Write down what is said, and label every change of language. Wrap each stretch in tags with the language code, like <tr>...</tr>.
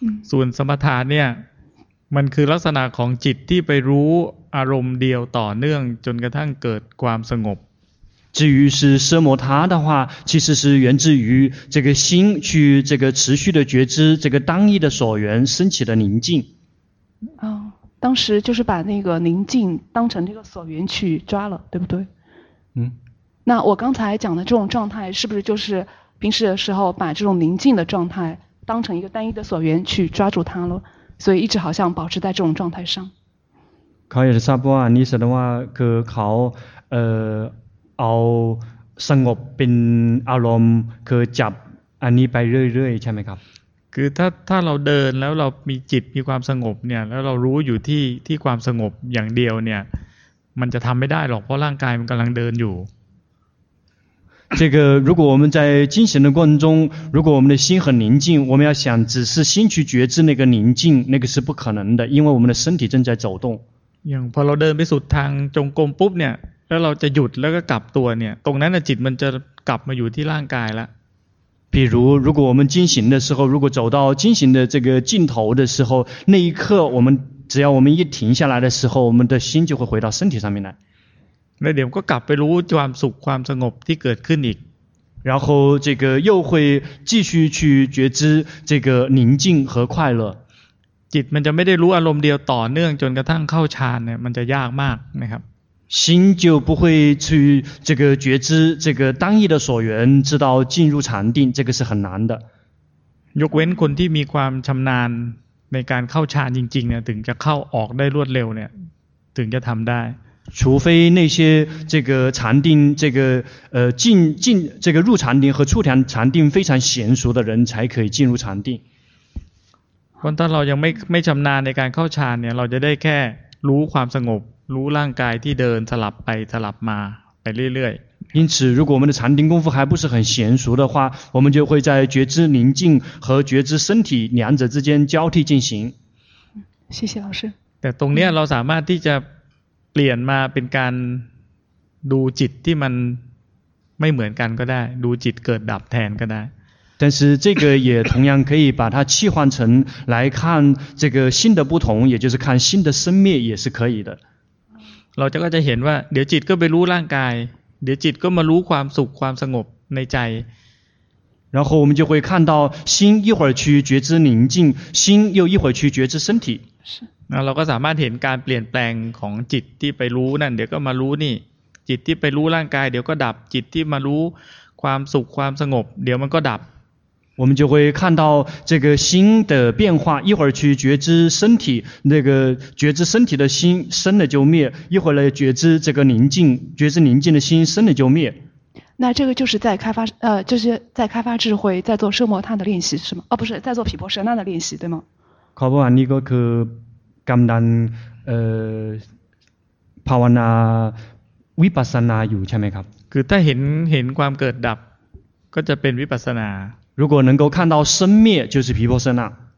<th>ส่วนสมถะเนี่ยมันคือลักษณะของจิตที่ไปรู้อารมณ์เดียวต่อเนื่องจนกระทั่งเกิดความสงบ</th> <zh>至于是奢摩他的话其实是源自于这个心去这个持续的觉知这个当一的所缘升起的宁静哦当时就是把那个宁静当成这个所缘去抓了对不对嗯那我刚才讲的这种状态是不是就是平时的时候把这种宁静的状态当成一个单一的所缘去抓住它了所以一直好像保持在这种状态上可以差不多你说的话</zh> <th>คือเขาเอาสงบเป็นอารมณ์คือจับอันนี้ไปเรื่อยๆใช่ไหมครับ คือถ้าเราเดินแล้วเรามีจิตมีความสงบเนี่ยแล้วเรารู้อยู่ที่ความสงบอย่างเดียวเนี่ยมันจะทำไม่ได้หรอกเพราะร่างกายมันกำลังเดินอยู่</th> <zh>这个如果我们在进行的过程中如果我们的心很宁静我们要想只是心去觉知那个宁静那个是不可能的因为我们的身体正在走动</zh> <th>อย่างพอเราเดินไปสุดทางจงกรมปุ๊บเนี่ยแล้วเราจะหยุดแล้วก็กลับตัวเนี่ยตรงนั้นน่ะจิตมันจะกลับมาอยู่ที่ร่างกายละ</th> <zh>比如如果我们进行的时候如果走到进行的这个尽头的时候那一刻我们只要我们一停下来的时候我们的心就会回到身体上面来那</zh> <th>เดี๋ยวก็กลับไปรู้ความสุขความสงบที่เกิดขึ้นอีก</th> <zh>然后这个又会继续去觉知这个宁静和快乐</zh> <th>จิตมันจะไม่ได้รู้อารมณ์เดียวต่อเนื่องจนกระทั่งเข้าฌานเนี่ยมันจะยากมากนะครับ</th> <zh>心就不会去这个觉知这个单一的所缘直到进入禅定这个是很难的</zh> <th>ยกเว้นคนที่มีความชำนาญในการเข้าฌานจริงๆเนี่ยถึงจะเข้าออกได้รวดเร็วเนี่ยถึงจะทำได้</th> <zh>除非那些这个禅定这个进这个入禅定和出禅定非常娴熟的人才可以进入禅定。</zh> <th>คนถ้าเรายังไม่ชำนาญในการเข้าฌานเนี่ยเราจะได้แค่รู้ความสงบรู้ร่างกายที่เดินสลับไปสลับมาไปเรื่อยๆ</th> <zh>因此如果我们的禅定功夫还不是很娴熟的话我们就会在觉知宁静和觉知身体两者之间交替进行。谢谢老师。</zh> <th>แต่ตรงเนี้ยเราสามารถที่จะเปลี่ยนมาเป็นการดูจิตที่มันไม่เหมือนกันก็ได้ดูจิตเกิดดับแทนก็ได้</th> <zh>但是这个也同样可以把它替换成来看这个心的不同也就是看心的生灭也是可以的</zh> <th>เราจะเห็นว่าเดี๋ยวจิตก็ไปรู้ร่างกายเดี๋ยวจิตก็มารู้ความสุขความสงบในใจ</th> <zh>然后我们就会看到心一会儿去觉知宁静心又一会儿去觉知身体</zh> <th>เราก็สามารถเห็นการเปลี่ยนแปลงของจิตที่ไปรู้นั่นเดี๋ยวก็มารู้นี่จิตที่ไปรู้ร่างกายเดี๋ยวก็ดับจิตที่มารู้ความสุขความสงบเดี๋ยวมันก็ดับ</th> <zh>我们就会看到这个心的变化，一会儿去觉知身体，那个觉知身体的心生了就灭，一会儿来觉知这个宁静，觉知宁静的心生了就灭。那这个就是在开发就是在开发智慧，在做奢摩他的练习是吗？哦，不是，在做毗婆舍那的练习对吗？考不完你个去甘丹</zh> <th>ภาวนาวิปัสสนาอยู่ใช่ไหมครับ คือถ้าเห็นความเกิดดับก็จะเป็นวิปัสสนา</th> <zh>如果能够看到生灭就是毗婆舍那</zh>